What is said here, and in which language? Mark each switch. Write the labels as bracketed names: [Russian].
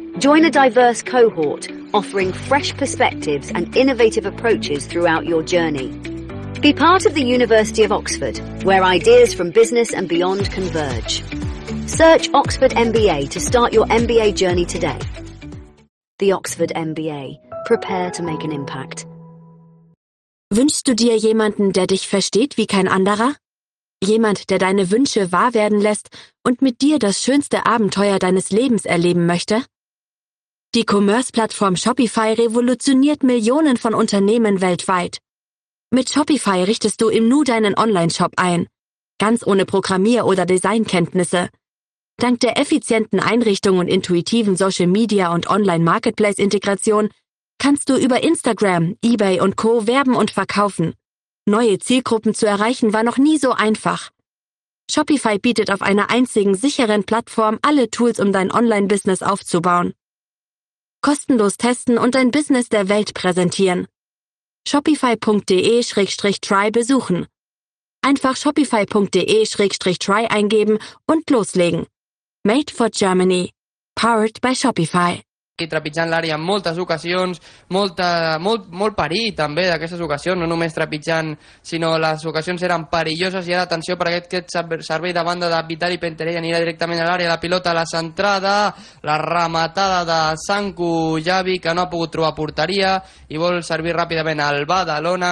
[English] Join a diverse cohort offering fresh perspectives and innovative approaches throughout your journey. Be part of the University of Oxford, where ideas from business and beyond converge. Search Oxford MBA to start your MBA journey today. The Oxford MBA. Prepare to make an impact. [German] Wünschst du dir jemanden, der dich versteht wie kein anderer? Jemand, der deine Wünsche wahr werden lässt und mit dir das schönste Abenteuer deines Lebens erleben möchte? Die Commerce-Plattform Shopify revolutioniert Millionen von Unternehmen weltweit. Mit Shopify richtest du im Nu deinen Online-Shop ein. Ganz ohne Programmier- oder Designkenntnisse. Dank der effizienten Einrichtung und intuitiven Social-Media- und Online-Marketplace-Integration kannst du über Instagram, eBay und Co. werben und verkaufen. Neue Zielgruppen zu erreichen war noch nie so einfach. Shopify bietet auf einer einzigen sicheren Plattform alle Tools, um dein Online-Business aufzubauen. Kostenlos testen und dein Business der Welt präsentieren. Shopify.de/try besuchen. Einfach Shopify.de/try eingeben und loslegen. [English] Made for Germany. Powered by Shopify. [Catalan] Aquí trepitjant l'àrea en moltes ocasions, molt perill també d'aquestes ocasions, no només trepitjant, sinó les ocasions eren perilloses. I ara atenció per aquest servei de banda de Vitali Penterell, anirà directament a l'àrea, la pilota a la centrada, la rematada de Sanku Javi, que no ha pogut trobar porteria i vol servir ràpidament al Badalona.